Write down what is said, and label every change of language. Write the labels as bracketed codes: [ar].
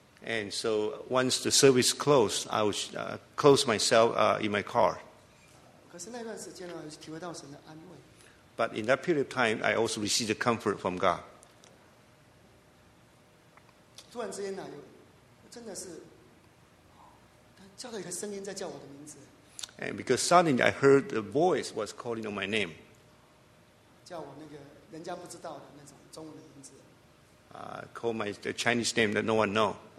[en] And so once the service closed, I would close myself in my car. [zh] 可是那段时间呢，体会到神的安慰。 [en] But in that period of time, I also received the comfort from God. [zh] 突然之间呢，真的是教会有个声音在叫我的名字。 [en] And because suddenly I heard the voice was calling on my name. [zh] 叫我那个人家不知道的那种中文的名字。 [en] Call my Chinese name that no one knows.